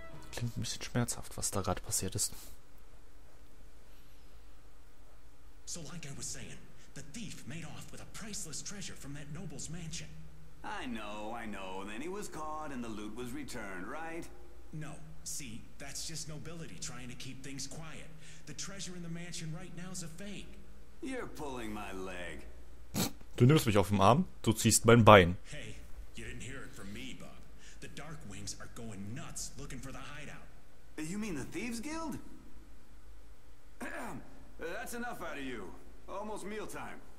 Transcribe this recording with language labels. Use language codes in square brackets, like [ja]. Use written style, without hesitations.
[de] Klingt ein bisschen schmerzhaft, was da gerade passiert ist. [en] So like I was saying, the thief made off with a priceless treasure from that noble's mansion. I know, then he was caught and the loot was returned, right? No, see, that's just nobility trying to keep things quiet. The treasure in the mansion right now is a fake. You're pulling my leg. [de] Du nimmst mich auf dem Arm, du ziehst mein Bein. [en] Hey, you didn't hear it from me, Bob. The Dark Wings are going nuts looking for the hideout. You mean the Thieves Guild? That's enough out of you. Almost mealtime.